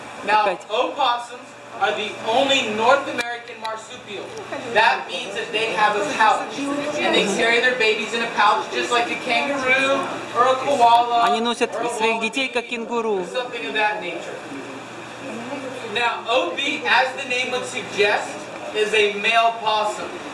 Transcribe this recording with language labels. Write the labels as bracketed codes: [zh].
[en] Now opossums are the only North American marsupial. That means that they have a pouch. And they carry their babies in a pouch just like a kangaroo or a koala. [ru] Они носят своих детей как кенгуру. [en] Something of that nature. Now OP, as the name would suggest, is a male possum.